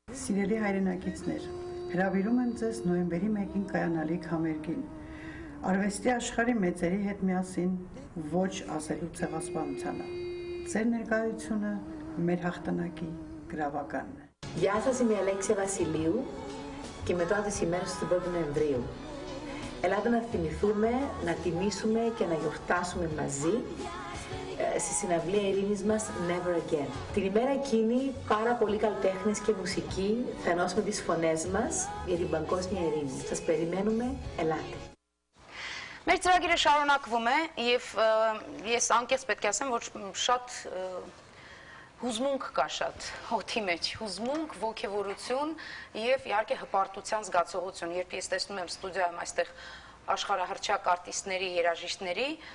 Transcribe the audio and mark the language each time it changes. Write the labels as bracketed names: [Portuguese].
[Armenian] Սիրելի հայրենակիցներ, հրավիրում եմ ձեզ նոյեմբերի 1-ին կայանալի համերգին. Արվեստի աշխարհի մեծերի հետ միասին ոչ ասելու ցեղասպանությանը. Ձեր ներկայությունը մեր հաղթանակի գրավականն է. [Greek] Γεια σας, είμαι η Αλέξια Βασιλείου και μετά από τις ημέρες του 1ου Νοεμβρίου. Ελάτε να θυμηθούμε, να τιμήσουμε και να γιορτάσουμε μαζί στη συναυλία ειρήνης μας Never Again. Την ημέρα εκείνη πάρα πολλοί καλλιτέχνες και μουσικοί θα ενώσουμε τις φωνές μας για την παγκόσμια ειρήνη. Σας περιμένουμε, ελάτε. [Armenian] Մեր ծրագիրը շարունակվում է և ես անկեղծ պետք է ասեմ, որ շատ հուզմունք կա շատ հոգի մեջ, հուզմունք, ոգևորություն եւ իհարկե հպարտության զգացողություն, երբ ես տեսնում եմ ստուդիայում այստեղ աշխարհահռչակ արտիստների, երաժիշտների